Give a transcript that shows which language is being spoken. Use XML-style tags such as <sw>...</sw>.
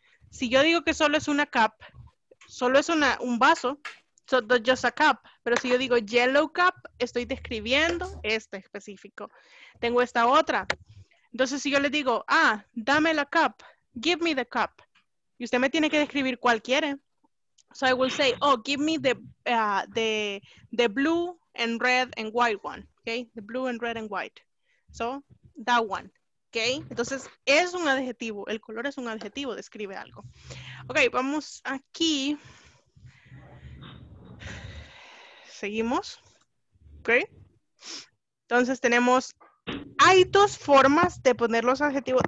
<es>Si yo digo que solo es una cup, solo es un vaso,</es> <en>so just a cup.</en> <es>Pero si yo digo</es> <en>yellow cup,</en> <es>estoy describiendo este específico. Tengo esta otra. Entonces, si yo le digo, ah, dame la cup,</es> <en>give me the cup.</en> <es>Y usted me tiene que describir cuál quiere.</es> <en>So I will say, oh, give me the blue and red and white one. Okay, the blue and red and white. So, that one, ¿ok?</en> <es>Entonces, es un adjetivo, el color es un adjetivo, describe algo. Ok, vamos aquí. Seguimos, ¿ok? Entonces, tenemos, hay dos formas de poner los adjetivos.</es>